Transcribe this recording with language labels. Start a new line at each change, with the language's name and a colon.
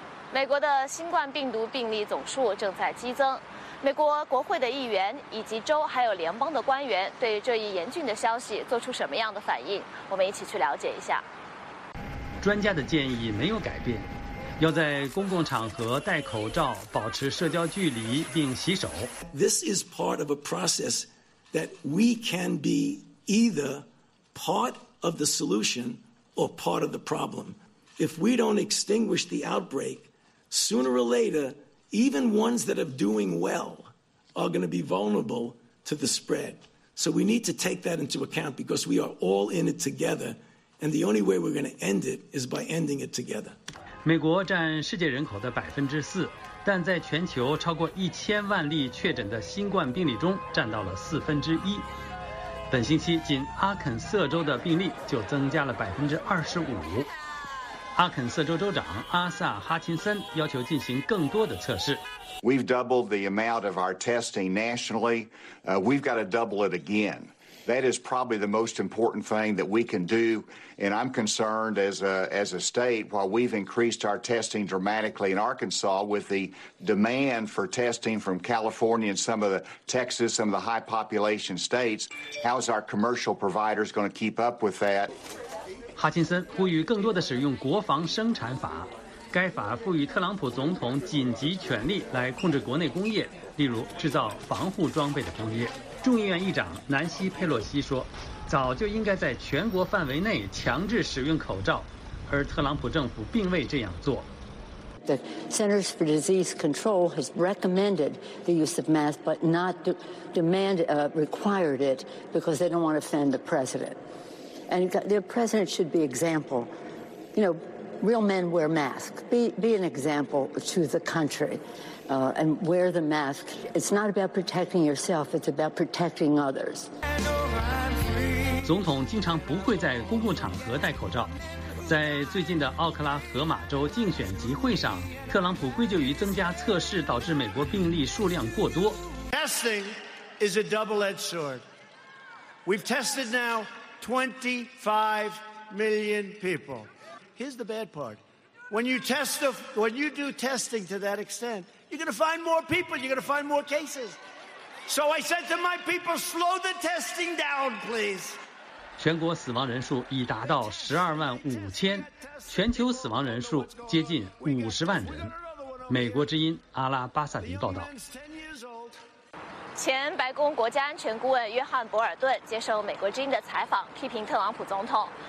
Chinese: 美国的新冠病毒病例总数正在激增，美国国会的议员以及州还有联邦的官员对这一严峻的消息做出什么样的反应，我们一起去了解一下。专家的建议没有改变，要在公共场合戴口罩，保持社交距离，并洗手。
English: This is part of a process that we can be either part of the solution or part of the problem. If we don't extinguish the outbreak, sooner or later, even ones that are doing well are going to be vulnerable to the spread. So we need to take that into account because we are all in it together, and the only way we're going to end it is by ending it together.
Chinese: 美国占世界人口的4%，但在全球超过10,000例确诊的新冠病例中占到了1/4。本星期仅阿肯色州的病例就增加了25%。阿肯色州州长阿萨·哈钦森要求进行更多的测试。
English: We've doubled the amount of our testing nationally. We've got to double it again. That is probably the most important thing that we can do. And I'm concerned as a state, while we've increased our testing dramatically in Arkansas with the demand for testing from California and some of the Texas, some of the high population states, how's our commercial providers going to keep up with that?
Chinese: 哈钦森呼吁更多的使用国防生产法，该法赋予特朗普总统紧急权力来控制国内工业，例如制造防护装备的工业。众议院议长南希·佩洛西说，早就应该在全国范围内强制使用口罩，而特朗普政府并未这样做。
English: The Centers for Disease Control has recommended the use of masks, but not required it because they don't want to offend the president. And the president should be example. You know, real men wear masks. Be an example to the country, and wear the mask. It's not about protecting yourself. It's about protecting others.
Chinese: 总统经常不会在公共场合戴口罩。在最近的奥克拉荷马州竞选集会上，特朗普归咎于增加测试导致美国病例数量过多。
English: Testing is a double-edged sword. We've tested now. 25 million people. Here's the bad part. When you do testing to that extent, you're going to find more people. You're going to find more cases. So I said to my people, slow the testing down, please.
Chinese: 全国死亡人数已达到125,000，全球死亡人数接近500,000人。美国之音阿拉巴萨迪报道。前白宫国家安全顾问约翰·博尔顿接受美国之音的采访，批评特朗普总统。